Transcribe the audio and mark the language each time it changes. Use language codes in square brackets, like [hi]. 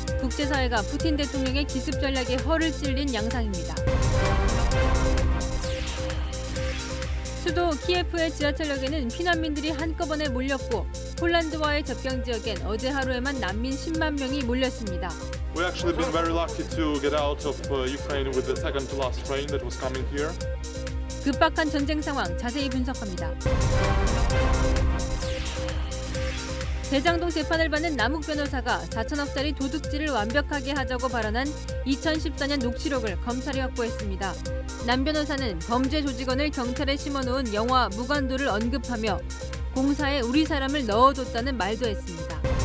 [ko] 국제사회가 푸틴 대통령의 기습 전략에 허를 찔린 양상입니다. 수도 키예프의 지하철역에는 피난민들이 한꺼번에 몰렸고 폴란드와의 접경 지역엔 어제 하루에만 난민 10만 명이 몰렸습니다. [en] We actually been very lucky to get out of Ukraine with the second to last train that was coming here. [ko] 급박한 전쟁 상황 자세히 분석합니다. 대장동 재판을 받는 남욱 변호사가 4천억짜리 도둑질을 완벽하게 하자고 발언한 2014년 녹취록을 검찰이 확보했습니다. 남 변호사는 범죄 조직원을 경찰에 심어놓은 영화 무관도를 언급하며 공사에 우리 사람을 넣어뒀다는 말도 했습니다.